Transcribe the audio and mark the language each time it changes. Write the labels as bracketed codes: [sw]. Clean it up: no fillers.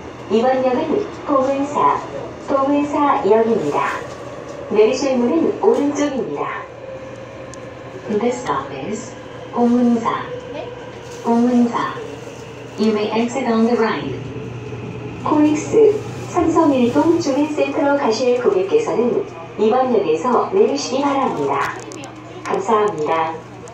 [ko] 이번역은 포문사, 포문사역입니다. 내리실 문은 오른쪽입니다. [en] This stop is 포문사. 포문사. You may exit on the right. [ko] 코믹스 삼성일동 주민센터로 가실 고객께서는 이번역에서 내리시기 바랍니다. 감사합니다.